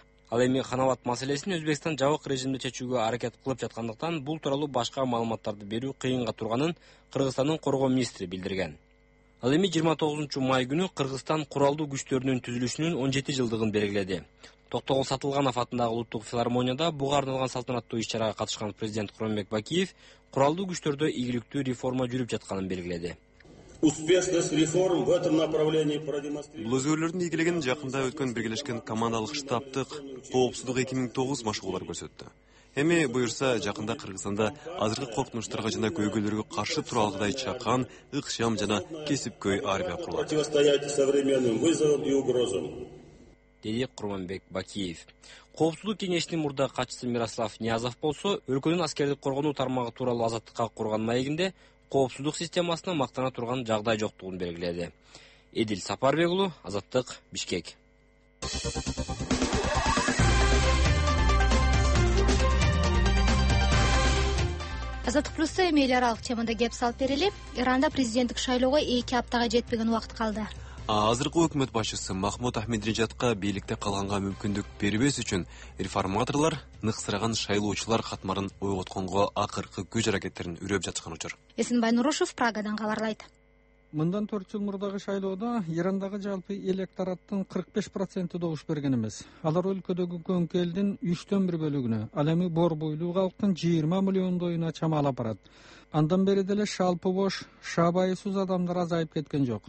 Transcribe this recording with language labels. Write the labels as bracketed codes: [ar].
[ky] Ал эми Ханабад маселесин Өзбекстан жабык режимде чечүүгө аракет кылып жаткандыктан бул тууралуу башка маалыматтарды берүү кыйынга турганын Кыргызстандын коргоо министри билдирген. Ал эми 29 май күнү Кыргызстан куралдуу күчтөрүнүн түзүлүшүнүн 17 жылдыгын белгиледи. Токтогул Сатылганов атындагы улуттук филармонияда буга арналган салтанаттуу иш чарага катышкан президент Куранбек Бакиев куралдуу күчтөрдө ийгиликтүү реформа жүрүп жатканын белгиледи. [ru] Успешность реформ в этом направлении продемонстрирована. [ky] Бул өзгөрлөрдүн ийгилигин жакында өткөн биргелешкен командалык штабтык коопсуздук 2009 машыгуулар көрсөттү. Эми буюрса жакында Кыргызстанда азыркы коркунучтарга жана көйгөйлөргө каршы тура алгыдай чакан ыкчам жана кесипкөй армия курулат. [ru] Противостоять современным вызовам и угрозам. [ky] Дедик Курманбек Бакиев. Коопсуздук кеңешинин мурда катчысы Мирослав Ниязов болсо, өлкөнүн аскердик коргонуу тармагы тууралуу азаттыкка курган маегинде коопсуздук системасына мактана турган жагдай жоктугун белгиледи. Эдил Сапарбек улу, Азаттык, Бишкек. Азаттык плюсу эми эл аралык темада кеп салып берели. Иранда президенттик шайлоого 2 аптага жетпеген убакыт калды. Азыркы өкмөт башчысы Махмуд Ахмадиниджадка бийликте калганга мүмкүндүк бербес үчүн реформаторлор нык сыраган шайлоочулар катмарын ойготконго акыркы күч аракеттерин үрөп жаткан учур. Эсинбай Нурушев Прагадан кабарлайт. Мындан 4 жыл мурдагы шайлоодо Ирандагы жалпы электораттын 45% добуш берген эмес. Алар өлкөдөгү көңкү элдин 1/3 бөлүгүнө, ал эми борбойлуу калктын 20 миллиондойуна чамалап барат. Андан бери деле шалпы бош, шабайысыз адамдар азайып кеткен жок.